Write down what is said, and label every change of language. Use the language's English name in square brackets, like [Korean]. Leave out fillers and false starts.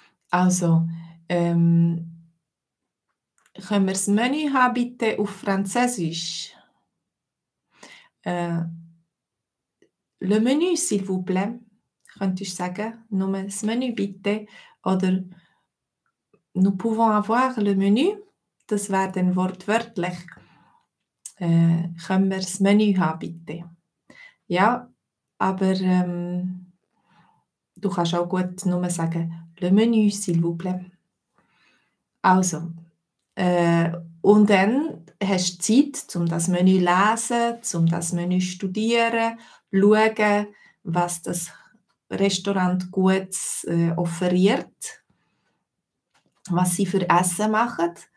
[German] Also, können wir das Menü haben, bitte, auf Französisch? [French] Le Menü, s'il vous plaît. [German] Könntest du sagen, nur das Menü, bitte. [French] Oder, nous pouvons avoir le Menü. [German] Das wäre dann wortwörtlich. Können wir das Menü haben, bitte. Ja, aber du kannst auch gut nur sagen, [French] le Menü, s'il vous plaît. [German] Also, und dann hast du Zeit, um das Menü zu lesen, um das Menü zu studieren, schauen, was das Restaurant gut offeriert, was sie für Essen machen.